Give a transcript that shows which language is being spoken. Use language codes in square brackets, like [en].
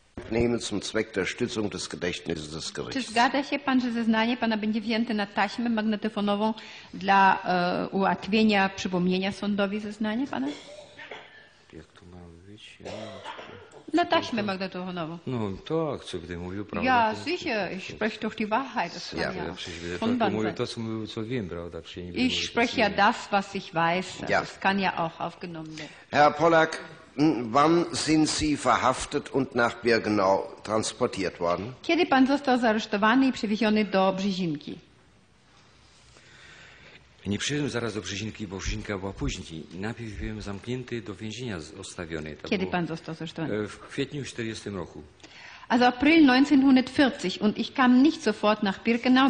[de] Nehmen zum Zweck der Stützung des Gedächtnisses des Gerichts. [pl] Czy zgadza się pan, że zeznanie pana będzie wzięte na taśmę magnetofonową dla ułatwienia przypomnienia sądowi zeznanie pana? Jak to ma być? Na taśmę magnetofonową. No tak, co gdy mówił, prawda? [de] Ja, sicher, ich spreche doch die Wahrheit. Das [pl] ja, przecież mówię to, co mówił, co wiem, prawda? [de] Ich spreche ja das, was ich weiß. Ja. Das kann ja auch aufgenommen werden. Herr Pollack, wann sind Sie verhaftet und nach Birkenau transportiert worden? [pl] Kiedy pan został zaresztowany i przewieziony do Brzezinki? Nie przyjechałem zaraz do Brzezinki, bo Brzezinka była później. Najpierw byłem zamknięty do więzienia zostawiony. To kiedy pan został zaresztowany? W kwietniu 1940 roku. [de] Also April 1940 und ich kam nicht sofort nach Birkenau.